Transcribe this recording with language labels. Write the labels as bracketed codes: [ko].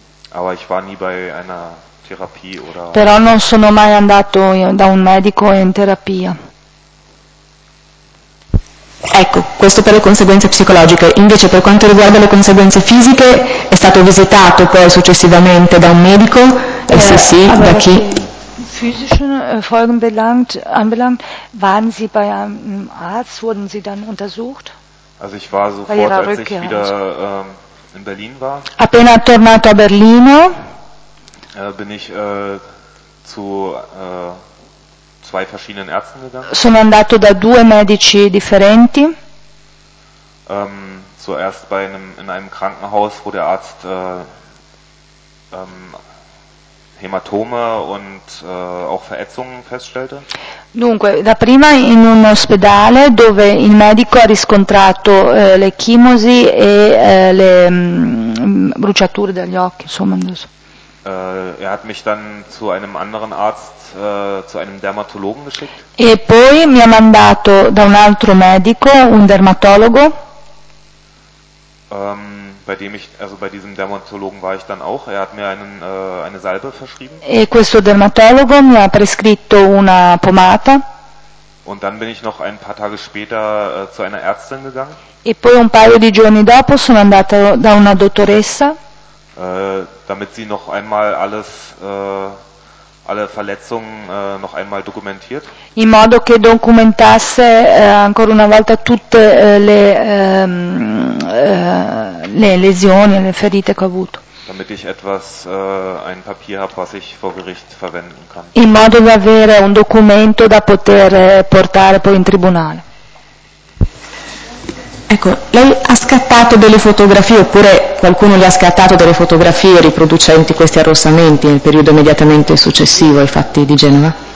[de] Aber ich war nie bei einer Therapie oder. [it] Però non sono mai andato da un medico in terapia. Ecco, questo per le conseguenze psicologiche. Invece, per quanto riguarda le conseguenze fisiche, è stato visitato poi successivamente da un medico? Se sì, da chi? [de] Physischen Folgen anbelangt, waren Sie bei einem Arzt, wurden Sie dann untersucht? Also ich war sofort, als ich wieder in Berlin war. [it] Appena tornato a Berlino, [de] bin ich zu zwei verschiedenen Ärzten gegangen. [it] Sono andato da due medici differenti. [de] Zuerst bei in einem Krankenhaus, wo der Arzt Hämatome und auch Verätzungen feststellte. [it] Dunque, da prima in un ospedale dove il medico ha riscontrato le chimosi e le bruciature degli occhi, insomma. [de] Er hat mich dann zu einem anderen Arzt, zu einem Dermatologen geschickt. [it] E poi mi ha mandato da un altro medico, un dermatologo. [de] Bei diesem Dermatologen war ich dann auch. Er hat mir eine Salbe verschrieben. [it] E questo dermatologo mi ha prescritto una pomata. [de] Und dann bin ich noch ein paar Tage später zu einer Ärztin gegangen. [it] E poi un paio di giorni dopo sono andata da una dottoressa. [de] Damit sie noch einmal alle Verletzungen noch einmal dokumentiert. [it] In modo che documentasse ancora una volta tutte le lesioni, le ferite che ho avuto. [de] Damit ich etwas ein Papier habe, was ich vor Gericht verwenden kann. [it] In modo da avere un documento da poter portare poi in tribunale. Ecco, lei ha scattato delle fotografie oppure qualcuno le ha scattato delle fotografie riproducenti questi arrossamenti nel periodo immediatamente successivo ai fatti di Genova?